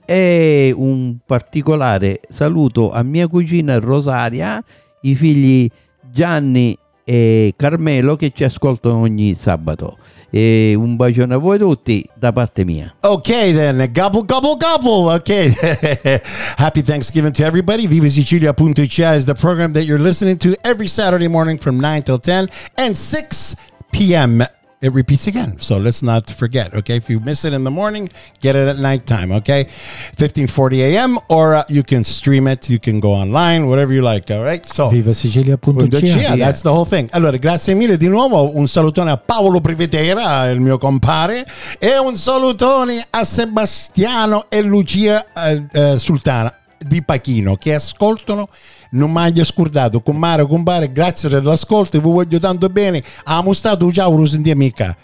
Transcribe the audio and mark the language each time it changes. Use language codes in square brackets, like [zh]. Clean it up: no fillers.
[it] E un particolare saluto a mia cugina Rosaria, i figli Gianni e Carmelo che ci ascoltano ogni sabato, e un bacione a voi tutti da parte mia. [en] Ok then, gobble, ok. Happy Thanksgiving to everybody. VivaSicilia.ch is the program that you're listening to every Saturday morning from 9 till 10 and 6 p.m. It repeats again, so let's not forget, okay? If you miss it in the morning, get it at nighttime, okay? 1540 a.m. or you can stream it, you can go online, whatever you like, all right? So, VivaSicilia.ch, that's the whole thing. [it] Allora, grazie mille di nuovo, un salutone a Paolo Privetera, il mio compare, e un salutone a Sebastiano e Lucia Sultana di Pachino, che ascoltano. Non mi hai scordato, comare, compare, grazie dell'ascolto, vi voglio tanto bene. Amo stato, ciao, Rosendia, mica.